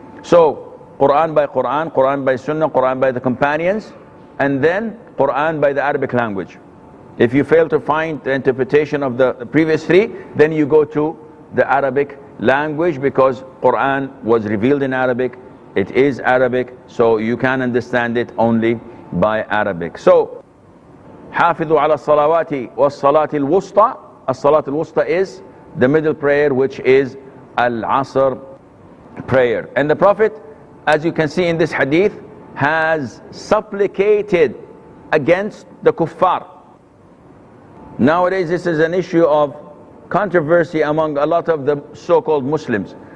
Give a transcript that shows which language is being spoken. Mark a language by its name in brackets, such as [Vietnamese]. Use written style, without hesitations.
[English] So, Quran by Quran, Quran by Sunnah, Quran by the companions, and then Quran by the Arabic language. If you fail to find the interpretation of the previous three, then you go to the Arabic language, because Quran was revealed in Arabic. It is Arabic, so you can understand it only by Arabic. [Arabic] So, حافظوا على الصلوات والصلاة الوسطى. الصلاة الوسطى [English] is the middle prayer, which is Al-Asr prayer. And the Prophet, as you can see in this hadith, has supplicated against the kuffar. Nowadays, this is an issue of controversy among a lot of the so-called Muslims.